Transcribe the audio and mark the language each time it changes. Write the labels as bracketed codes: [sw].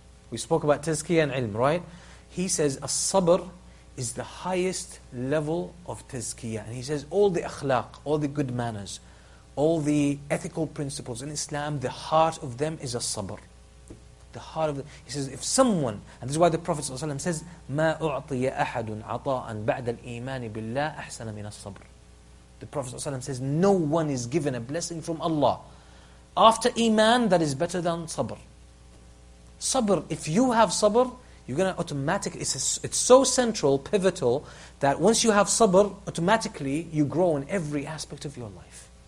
[en] We spoke about tazkiyah and ilm, right? He says, as-sabr is the highest level of tazkiyah. And he says, all the akhlaq, all the good manners, all the ethical principles in Islam, the heart of them is as-sabr. The heart of the... He says, if someone... And this is why the Prophet ﷺ says, [ar] مَا أُعْطِيَ أَحَدٌ عَطَاءً بَعْدَ الْإِيمَانِ بِاللَّهِ أَحْسَنَ مِنَ الصَّبْرِ. [en] The Prophet ﷺ says, no one is given a blessing from Allah after iman that is better than sabr. Sabr, if you have sabr, you're going to automatically... It's so central, pivotal, that once you have sabr, automatically you grow in every aspect of your life.